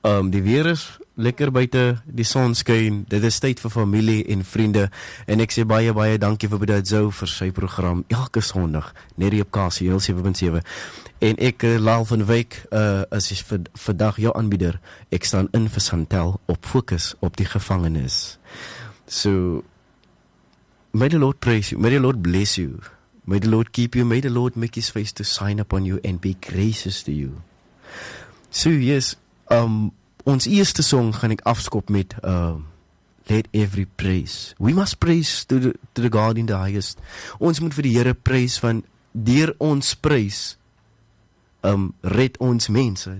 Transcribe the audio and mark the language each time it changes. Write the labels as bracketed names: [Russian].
[Afrikaans] Die weer is lekker buite, die son skyn. Dit is tyd vir familie en vriende en ek sê baie dankie vir Bidat Zou vir sy program elke Sondag net hier op Kasi 107.7. En ek Laal van Wyk as is vandag jou aanbieder. Ek staan in vir Santel op Fokus op die gevangenis. [English] So may the Lord praise you, may the Lord bless you, may the Lord keep you, may the Lord make his face to shine upon you and be gracious to you. [Afrikaans] So yes, ons eerste song gaan ek afskop met Let Every Praise. [English] We must praise to the God in the highest. [Afrikaans] Ons moet vir die Here prys, want deur ons prys red ons mense.